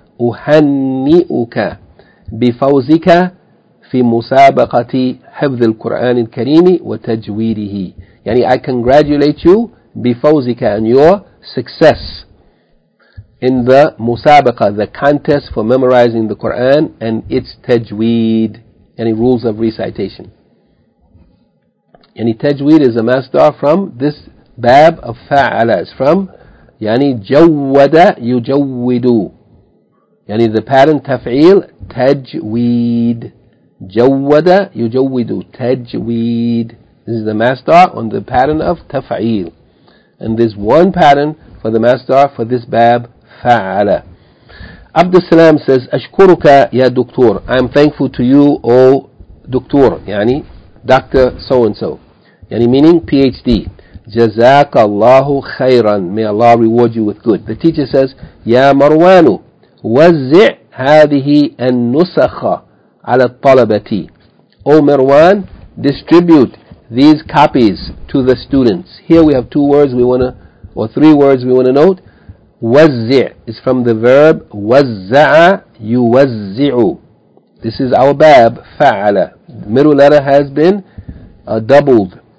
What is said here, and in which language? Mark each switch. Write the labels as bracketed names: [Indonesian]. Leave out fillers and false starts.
[Arabic] Uhanni'uka بفوزك في مسابقة حفظ القرآن الكريم وتجويده. [English] يعني I congratulate you بفوزك and your success in the مسابقة, the contest for memorizing the Quran and its تجويد, يعني rules of recitation. يعني تجويد is a masdar from this bab of فعل, it's from [Arabic] يعني جود يجود. يعني [English] the pattern [Arabic] تفعيل تجويد جود يجود تجويد. [English] This is the master on the pattern of تفعيل, and this one pattern for the master for this bab فعل. عبد السلام says [Arabic] أشكرك يا دكتور, [English] I am thankful to you O دكتور, يعني Dr. so and so, يعني meaning PhD. [Arabic] جزاك الله خيرا, [English] may Allah reward you with good. The teacher says [Arabic] يا مروان وزع هذه النسخة على الطلبة. [English] O Marwan, distribute these copies to the students. Here we have two words we want to, or three words we want to note. وزع is from the verb وزع يوزع. This is our bab فعل. Middle letter has been doubled.